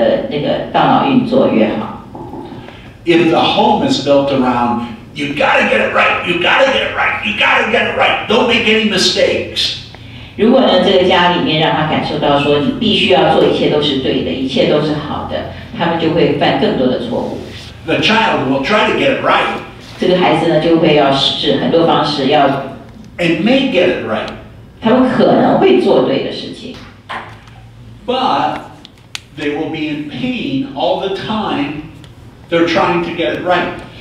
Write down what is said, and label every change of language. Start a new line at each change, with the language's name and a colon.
Chinese: 这个呢是研究显示，事实是，你越轻松的状态之下，你的那个大脑运作越好。
English: If the home is built around, you gotta get it right, you gotta get it right, you gotta get it right, don't make any mistakes.
Chinese: 如果呢，这个家里面让他感受到说，你必须要做一切都是对的，一切都是好的，他们就会犯更多的错误。
English: The child will try to get it right.
Chinese: 这个孩子呢，就会要试很多方式要。
English: And may get it right.
Chinese: 他们可能会做对的事情。
English: But they will be in pain all the time they're trying to get it right.